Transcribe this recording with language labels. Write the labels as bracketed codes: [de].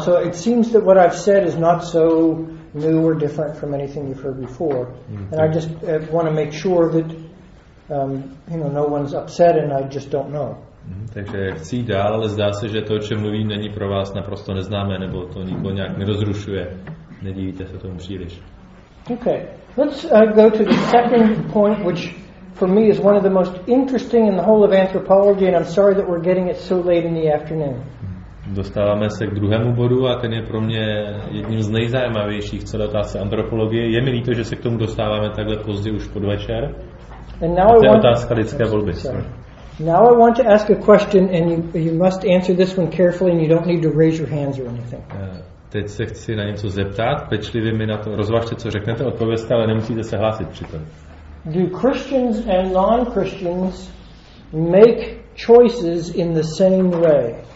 [en] So it seems that what I've said is not so new or different from anything you've heard before. And I just want to make sure that no one's upset and I just don't know. [cs] Takže chci dál, ale zdá se, že to, o čem mluvím, není pro vás naprosto neznámé, nebo to nikdo nějak nerozrušuje. Nedívíte se tomu příliš. [en] Okay, let's go to the second point, which for me is one of the most interesting in the whole of anthropology, and I'm sorry that we're getting it so late in the afternoon. [cs] Dostáváme se k druhému bodu a ten je pro mě jedním z nejzajímavějších v celé otázce antropologie. Je mi líto, že se k tomu dostáváme takhle pozdě už pod večer. To je otázka lidské volby. [en] Now I want to ask a question and you must answer this one carefully and you don't need to raise your hands or anything. [cs] Teď se chci na něco zeptat, pečlivě mi na to rozvažte, co řeknete, odpovězte, ale nemusíte se hlásit přitom. [en] Do Christians and non-Christians make choices in the same way?